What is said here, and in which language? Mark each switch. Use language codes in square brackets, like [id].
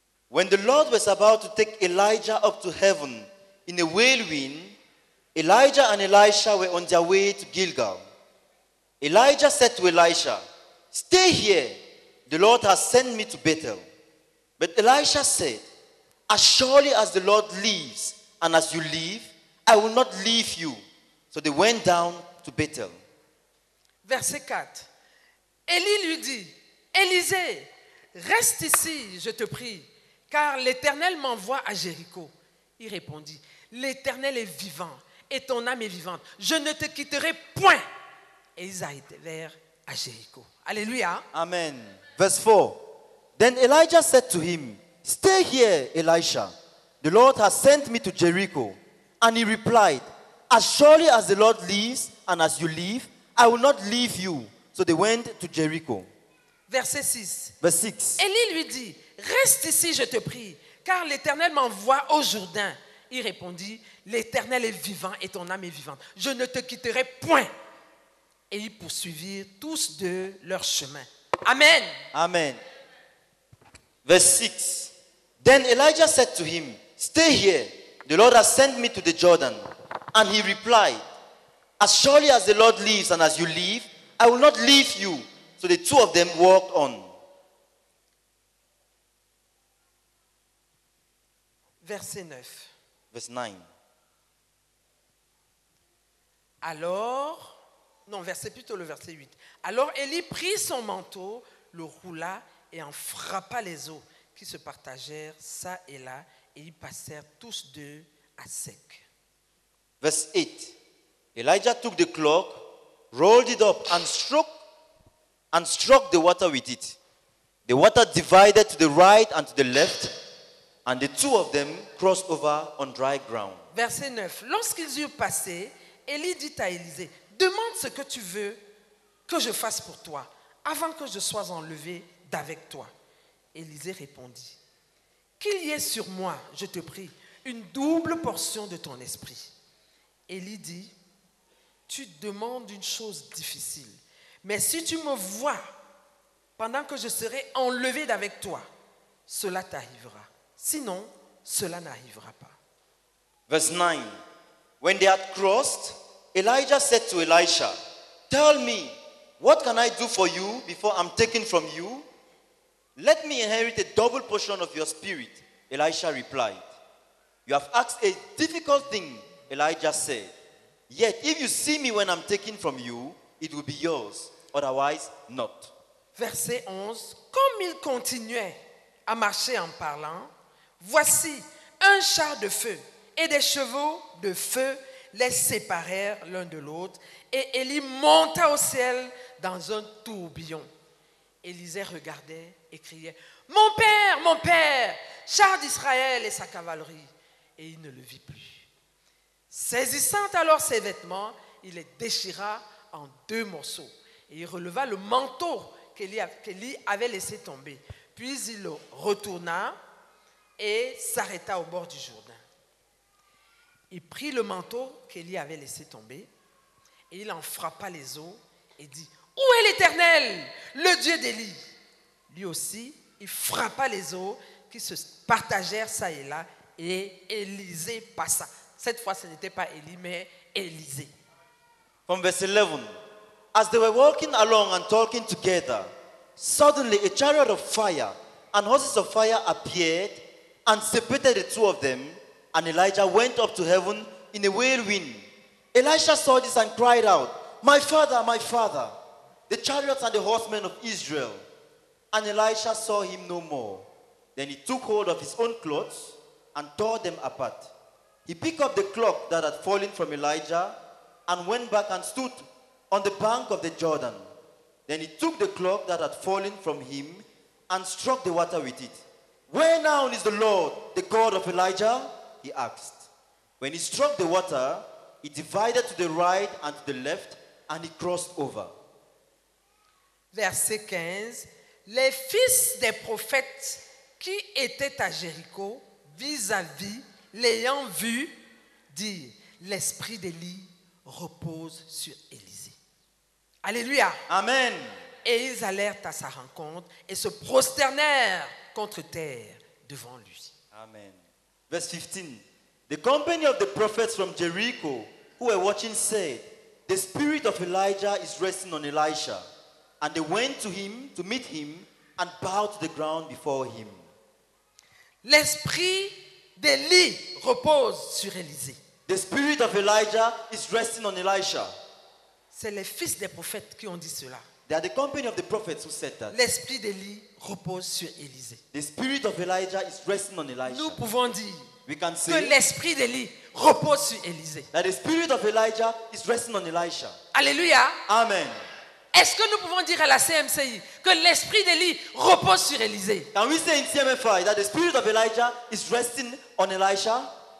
[en] When the Lord was about to take Elijah up to heaven in a whirlwind, Elijah and Elisha were on their way to Gilgal. Elijah said to Elisha, "Stay here. The Lord has sent me to Bethel." But Elisha said, "As surely as the Lord lives and as you live, I will not leave you." So they went down to Bethel. [fr] Verset 4. Élie lui dit, "Élisée, reste ici, je te prie, car l'Éternel m'envoie à Jéricho." Il répondit, "L'Éternel est vivant et ton âme est vivante. Je ne te quitterai point." Et ils arrivèrent à Jéricho. Alléluia. [en] Amen. Verse 4. Then Elijah said to him, "Stay here, Elisha. The Lord has sent me to Jericho." And he replied, "As surely as the Lord lives and as you live, I will not leave you." So they went to Jericho. [fr] Verset 6. [en] Verse 6. [fr] Élie lui dit, "Reste ici, je te prie, car l'Éternel m'envoie au Jourdain." Il répondit, "L'Éternel est vivant et ton âme est vivante. Je ne te quitterai point." Et ils poursuivirent tous deux leur chemin. Amen. [en] Amen. Verse 6. Then Elijah said to him, "Stay here. The Lord has sent me to the Jordan." And he replied, "As surely as the Lord lives and as you live, I will not leave you." So the two of them walked on. [fr] Verset 9. [en] Verse 9. [fr] Alors, non, verset plutôt le verset 8. Alors Élie prit son manteau, le roula et en frappa les eaux qui se partagèrent ça et là, et ils passèrent tous deux à sec. [en] Verse 8. Elijah took the cloak, rolled it up, and struck the water with it. The water divided to the right and to the left. And the two of them crossed over on dry ground. [fr] Verset 9. Lorsqu'ils eurent passé, Élie dit à Élisée, "Demande ce que tu veux que je fasse pour toi, avant que je sois enlevé d'avec toi." Élisée répondit, "Qu'il y ait sur moi, je te prie, une double portion de ton esprit." Élie dit, "Tu demandes une chose difficile, mais si tu me vois pendant que je serai enlevé d'avec toi, cela t'arrivera. Sinon, cela n'arrivera pas." [en] Verse 9. When they had crossed, Elijah said to Elisha, "Tell me, what can I do for you before I'm taken from you? Let me inherit a double portion of your spirit." Elisha replied, "You have asked a difficult thing, Elijah said, yet if you see me when I'm taken from you, it will be yours, otherwise not. [fr] Verset 11. Comme il continuait à marcher en parlant, voici un char de feu et des chevaux de feu les séparèrent l'un de l'autre. Et Élie monta au ciel dans un tourbillon. Élisée regardait et criait, « mon père, char d'Israël et sa cavalerie !» Et il ne le vit plus. Saisissant alors ses vêtements, il les déchira en deux morceaux. Et il releva le manteau qu'Élie avait laissé tomber. Puis il le retourna et s'arrêta au bord du Jourdain. Il prit le manteau qu'Élie avait laissé tomber et il en frappa les eaux et dit, « Où est l'Éternel, le Dieu d'Élie ?» Lui aussi, il frappa les eaux qui se partagèrent çà et là et Élisée passa. Cette fois, ce n'était pas Élie, mais Élisée. [en] From verse 11, as they were walking along and talking together, suddenly a chariot of fire and horses of fire appeared and separated the two of them, and Elijah went up to heaven in a whirlwind. Elisha saw this and cried out, my father, my father, the chariots and the horsemen of Israel. And Elisha saw him no more. Then he took hold of his own clothes and tore them apart. He picked up the cloak that had fallen from Elijah and went back and stood on the bank of the Jordan. Then he took the cloak that had fallen from him and struck the water with it. Where now is the Lord, the God of Elijah? He asked. When he struck the water, it divided to the right and to the left, and he crossed over. [fr] Verset 15. Les fils des prophètes qui étaient à Jéricho, vis-à-vis, l'ayant vu, dirent, l'esprit d'Élie repose sur Élisée. Alléluia. Amen. Et ils allèrent à sa rencontre et se prosternèrent contre terre devant lui. [en] Amen. Verse 15. The company of the prophets from Jericho who were watching said, the spirit of Elijah is resting on Elisha. And they went to him to meet him and bowed to the ground before him. [fr] L'esprit d'Élie repose sur Élisée. [en] The spirit of Elijah is resting on Elisha. [fr] C'est les fils des prophètes qui ont dit cela. [en] They are the company of the prophets who said that. [fr] L'esprit d'Élie repose sur Élisée. [en] The spirit of Elijah is resting on Elisha. [fr] Nous pouvons dire [en] we can say [fr] que l'esprit d'Élie repose sur Élisée. [en] That the spirit of Elijah is resting on Elisha. [fr] Alléluia. Amen. Est-ce que nous pouvons dire à la CMCI que l'esprit d'Élie repose sur Élisée? [en] Can we say in CMFI that the spirit of Elijah is resting on Elisha?